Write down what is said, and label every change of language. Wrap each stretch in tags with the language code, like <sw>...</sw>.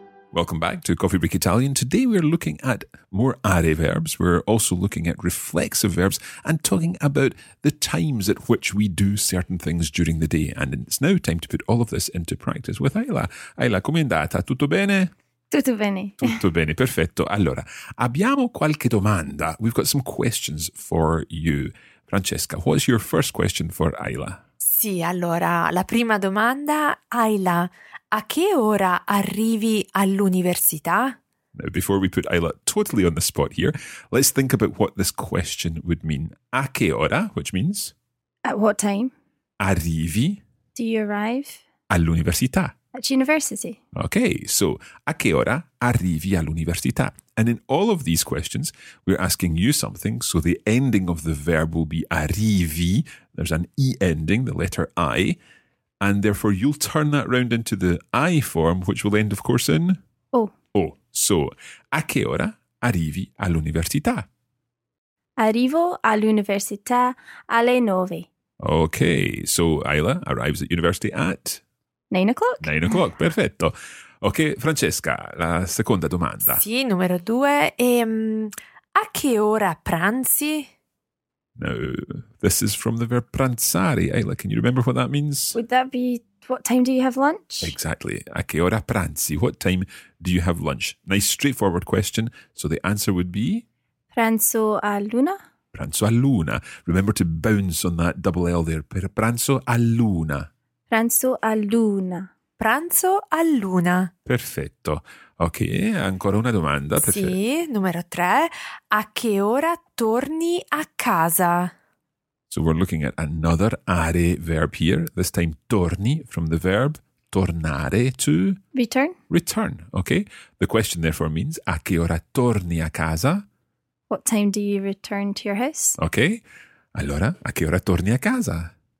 <en>Welcome back to Coffee Break Italian. Today we're looking at more are verbs. We're also looking at reflexive verbs and talking about the times at which we do certain things during the day. And it's now time to put all of this into practice with Ayla.</en> <it>Ayla, come andata? Tutto bene? Tutto bene. Tutto bene, perfetto. Allora, abbiamo qualche domanda.</it> <en>We've got some questions for you. Francesca, what's your first question for Ayla?</en> <it>Sì, allora, la prima domanda, Ayla, a che ora arrivi all'università?</it> <en>Now, before we put Ayla totally on the spot here, let's think about what this question would mean.</en> <it>A che ora,</it> <en>which means? At what time?</en> <it>Arrivi.</it> <en>Do you arrive?</en> <it>All'università.</it> <en>At university.</en> <it>Okay, so a che ora arrivi all'università?</it> <en>And in all of these questions, we're asking you something. So the ending of the verb will be arrivi. There's an E ending, the letter I. And therefore, you'll turn that round into the I form, which will end, of course, in? O. O.</en> <it>So, a che ora arrivi all'università? Arrivo all'università alle 9.</it> <en>Okay. So, Ayla arrives at university at? 9 o'clock. 9 o'clock. Perfetto.</en> <it>Okay, Francesca, la seconda domanda. Sì, numero 2. A che ora pranzi?</it> <en>No, this is from the verb pranzare. Ayla, can you remember what that means? Would that be, what time do you have lunch?</en> <it>Exactly. A che ora pranzi?</it> <en>What time do you have lunch? Nice, straightforward question. So the answer would be?</en> <it>Pranzo a luna. Pranzo a luna.</it> <en>Remember to bounce on that double L there.</en> <it>Per pranzo a luna. Pranzo a luna. Pranzo a luna. Perfetto. Ok, ancora una domanda. Perfetto. Sì, numero 3. A che ora torni a casa?</it> <en>So we're looking at another are verb here, this time torni, from the verb tornare to? Return. Return, okay. The question therefore means,</en> <it>a che ora torni a casa?</it> <en>What time do you return to your house? Okay.</en> <it>Allora, a che ora torni a casa?</it>